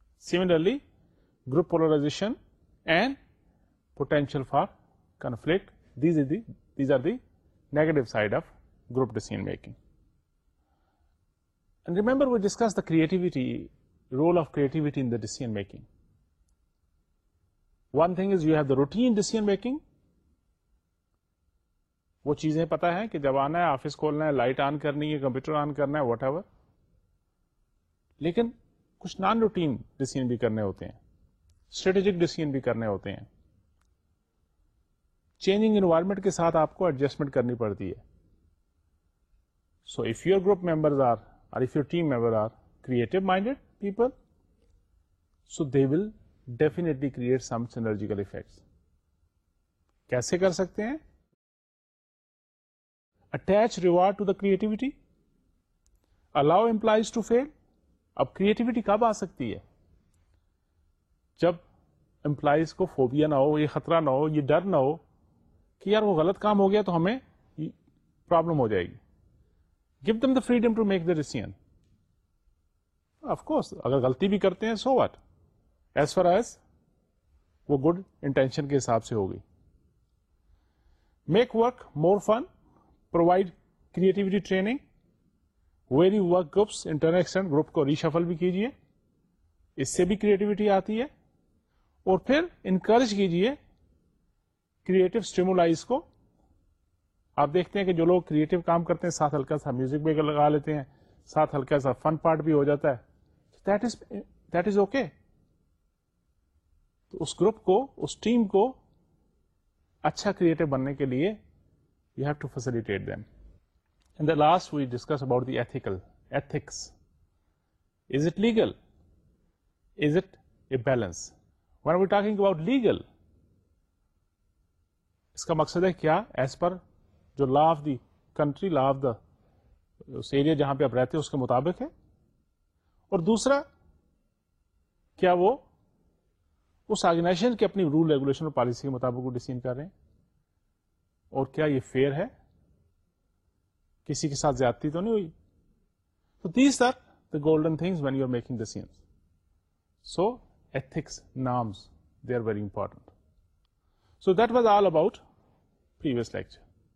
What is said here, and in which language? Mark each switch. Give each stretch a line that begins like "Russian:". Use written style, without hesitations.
English: Similarly, group polarization and potential for conflict, these are the negative side of group decision making. And remember we discussed the creativity, role of creativity in the decision making. One thing is you have the routine decision making.
Urdu: وہ چیزیں پتا ہیں کہ جب آنا ہے office کھولنا ہے لائٹ آن کرنی ہے کمپیوٹر آن کرنا ہے واٹ ایور لیکن کچھ نان روٹین ڈسیزن بھی کرنے ہوتے ہیں اسٹریٹجک ڈسیزن بھی کرنے ہوتے ہیں چینجنگ انوائرمنٹ کے ساتھ آپ کو ایڈجسٹمنٹ کرنی پڑتی ہے
English: So if your group members are or if your team member are creative minded people so they will definitely create some synergistic effects.
Urdu: کیسے کر سکتے ہیں؟
English: Attach reward to the creativity. Allow employees to fail.
Urdu: اب creativity کب آ سکتی ہے؟ جب employees کو phobia نہ ہو، یہ خطرہ نہ ہو، یہ ڈر نہ ہو کہ یار وہ غلط کام ہو گیا تو ہمیں problem ہو جائے گی.
English: Give them the freedom to make the decision. Of course,
Urdu: اگر غلطی بھی کرتے ہیں
English: so what? As far as
Urdu: وہ good intention کے حساب سے ہوگی.
English: Make work more fun. Provide creativity training. Vary work groups, interaction group کو reshuffle بھی کیجئے.
Urdu: اس سے بھی creativity آتی ہے. اور پھر encourage کیجئے creative stimulus کو. آپ دیکھتے ہیں کہ جو لوگ کریٹو کام کرتے ہیں ساتھ ہلکا سا میوزک بھی لگا لیتے ہیں، ساتھ ہلکا سا فن پارٹ بھی ہو جاتا ہے،
English: That is okay.
Urdu: تو اس گروپ کو، اس ٹیم کو اچھا کریٹو بننے کے لیے
English: You have to facilitate them. In the last we discuss about the ethics. Is it legal? Is it a balance? When we talking about legal,
Urdu: اس کا مقصد ہے کیا؟
English: as per جو law of the country, law of the اس area
Urdu: جہاں پہ آپ رہتے ہیں اس کے مطابق ہے. اور دوسرا، کیا وہ اس آرگنائزیشن کے اپنی رول ریگولیشن اور پالیسی کے مطابق وہ ڈیسیژن کر رہے ہیں؟ اور کیا یہ فیئر ہے؟ کسی کے ساتھ زیادتی تو نہیں ہوئی؟ تو
English: These are the golden things when you are making decisions. So ethics, norms, they are very important. So that was all about previous lecture.